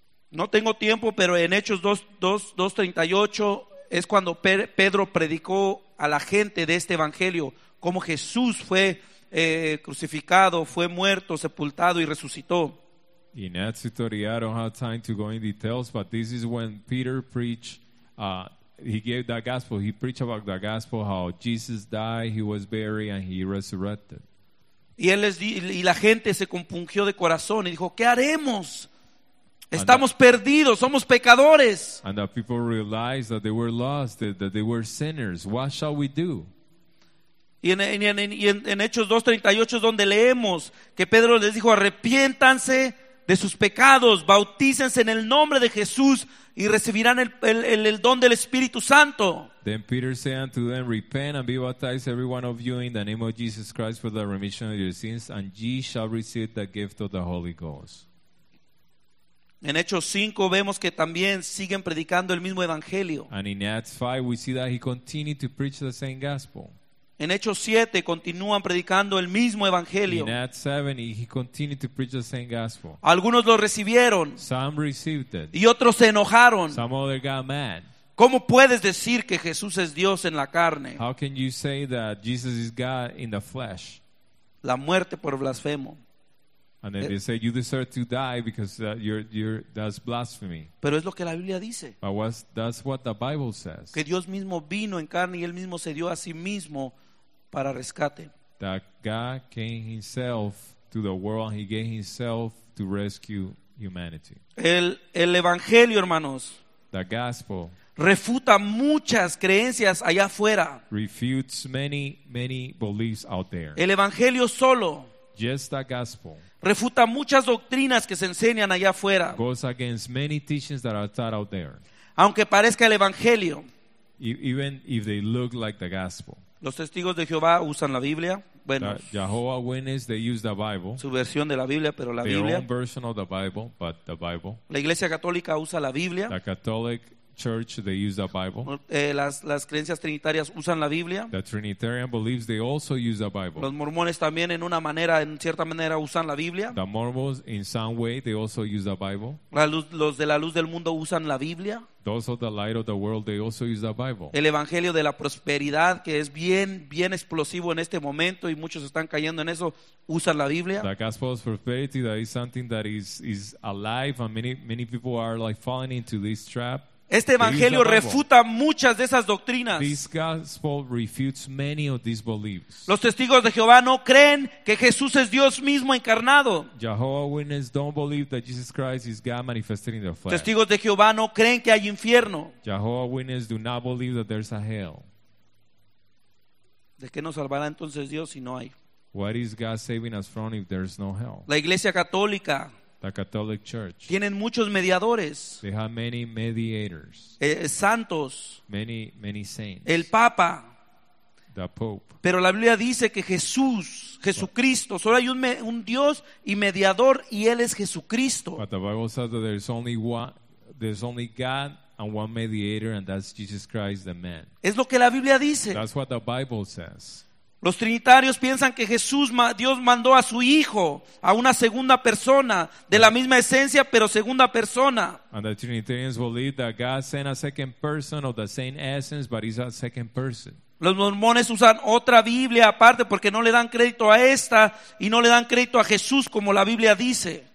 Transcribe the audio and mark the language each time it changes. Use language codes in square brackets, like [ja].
[es] No tengo tiempo, pero en Hechos 2:38 es cuando Pedro predicó a la gente de este evangelio cómo Jesús fue crucificado, fue muerto, sepultado y resucitó. [en] In Acts 2:38, I don't have time to go in details, but this is when Peter preached. He gave that gospel. He preached about the gospel, how Jesus died, he was buried, and he resurrected. [es] Y él les di, y la gente se compungió de corazón y dijo, ¿qué haremos? Estamos perdidos, somos pecadores. [en] And the people realized that they were lost, that they were sinners. What shall we do? [es] Y en Hechos 2:38 es donde leemos que Pedro les dijo, arrepiéntanse de sus pecados, bautícense en el nombre de Jesús y recibirán el don del Espíritu Santo. [en] Then Peter said unto them, repent and be baptized every one of you in the name of Jesus Christ for the remission of your sins, and ye shall receive the gift of the Holy Ghost. [es] En Hechos 5 vemos que también siguen predicando el mismo evangelio. [en] And in Acts 5 we see that he continued to preach the same gospel. [es] En Hechos 7 continúan predicando el mismo evangelio. [en] In Acts 7 he continued to preach the same gospel. [es] Algunos lo recibieron. [en] Some received it. [es] Y otros se enojaron. [en] Some other got mad. [es] ¿Cómo puedes decir que Jesús es Dios en la carne? [en] How can you say that Jesus is God in the flesh? [es] La muerte por blasfemo. [en] And then they say you deserve to die because that's blasphemy. [es] Pero es lo que la Biblia dice. [en] But that's what the Bible says. [es] Que Dios mismo vino en carne y él mismo se dio a sí mismo para rescate. [en] That God came himself to the world and he gave himself to rescue humanity. [es] El evangelio, hermanos. [en] The gospel. [es] Refuta muchas creencias allá afuera. [en] Refutes many, many beliefs out there. [es] El evangelio solo. [en] Just the gospel. [es] Refuta muchas doctrinas que se enseñan allá afuera. [en] Goes against many teachings that are taught out there. [es] Aunque parezca el evangelio. [en] Even if they look like the gospel. [es] Los testigos de Jehová usan la Biblia. Bueno, [en] Jehovah Witness, they use the Bible. [es] Su versión de la Biblia, pero la [en] their [es] Biblia. [en] Their own version of the Bible, but the Bible. [es] La Iglesia Católica usa la Biblia. [en] The Catholic Church, they use the Bible. [es] Las creencias trinitarias usan la Biblia. [en] The Trinitarian believes they also use the Bible. [es] Los mormones también en una manera, en cierta manera usan la Biblia. [en] The Mormons, in some way, they also use the Bible. [es] Los de la luz del mundo usan la Biblia. [en] Those of the light of the world, they also use the Bible. [es] El evangelio de la prosperidad, que es bien, bien explosivo en este momento y muchos están cayendo en eso, usan la Biblia. [en] The gospel of prosperity, that is something that is alive and many people are like falling into this trap. [es] Este evangelio refuta muchas de esas doctrinas. [en] This gospel refutes many of these beliefs. [es] Los testigos de Jehová no creen que Jesús es Dios mismo encarnado. [en] Jehovah's Witnesses don't believe that Jesus Christ is God manifested in the flesh. [es] Testigos de Jehová no creen que hay infierno. [en] Jehovah's Witnesses do not believe that there's a hell. [es] ¿De qué nos salvará entonces Dios si no hay? [en] What is God saving us from if there's no hell? [es] La Iglesia Católica. [en] The Catholic Church. [es] Tienen muchos mediadores. [en] They have many mediators. [es] Santos. [en] Many, many saints. [es] El Papa. [en] The Pope. [es] Pero la Biblia dice que Jesús, Jesucristo, solo hay un Dios y mediador y Él es Jesucristo. [en] But the Bible says that there's only God and one mediator and that's Jesus Christ the man. [es] Es lo que la Biblia dice. [en] That's what the Bible says. [es] Los trinitarios piensan que Jesús, Dios mandó a su hijo, a una segunda persona, de la misma esencia, pero segunda persona. [en] And the Trinitarians believe that God sent a second person of the same essence, but he's a second person. [es] Los mormones usan otra Biblia aparte porque no le dan crédito a esta y no le dan crédito a Jesús como la Biblia dice.